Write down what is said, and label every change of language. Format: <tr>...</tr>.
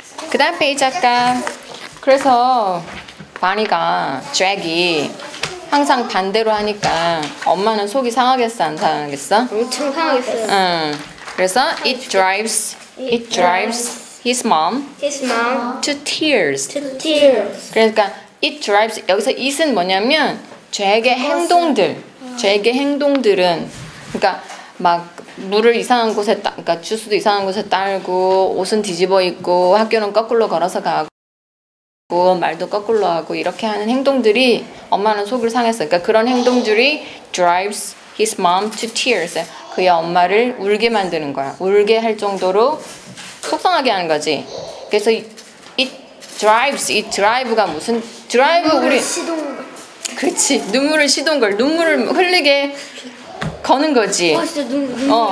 <ko>그 다음 페이지 작가. 그래서 바니가 잭이 항상 반대로 하니까 엄마는 속이 상하겠어 안 상하겠어? 엄청 상하겠어요. 응. 그래서</ko> <en>it drives his mom to tears. To tears.</en> <ko>그러니까</ko> <en>it drives</en> <ko>여기서 it은 뭐냐면 쟤에게 행동들. 쟤에게 행동들은 그러니까 막 물을 이상한 곳에 따, 그러니까 주스도 이상한 곳에 따르고 옷은 뒤집어 입고 학교는 거꾸로 걸어서 가고 말도 거꾸로 하고 이렇게 하는 행동들이 엄마는 속을 상했어. 그러니까 그런 행동들이</ko> <en>drives his mom to tears.</en> <ko>그의 엄마를 울게 만드는 거야. 울게 할 정도로 속상하게 하는 거지. 그래서</ko> <en>it drives</en> <ko>가 무슨 drive 우리 시동 그렇지. 눈물을 시동 걸 눈물을 흘리게 거는 거지. 아 진짜 눈물</ko>